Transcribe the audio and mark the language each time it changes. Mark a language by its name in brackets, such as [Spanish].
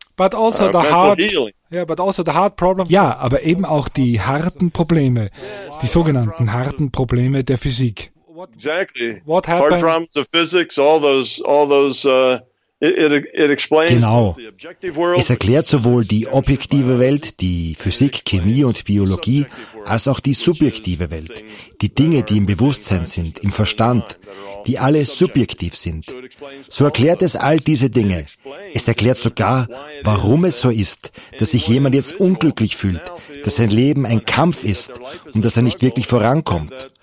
[English] But also the hard, but also the hard problem. [German] Ja, aber eben auch die harten Probleme, die sogenannten harten Probleme der Physik. [English] Exactly. What happened? Hard problems of physics, all those [German] Genau. Es erklärt sowohl die objektive Welt, die Physik, Chemie und Biologie, als auch die subjektive Welt, die Dinge, die im Bewusstsein sind, im Verstand, die alle subjektiv sind. So erklärt es all diese Dinge. Es erklärt sogar, warum es so ist, dass sich jemand jetzt unglücklich fühlt, dass sein Leben ein Kampf ist und dass er nicht wirklich vorankommt.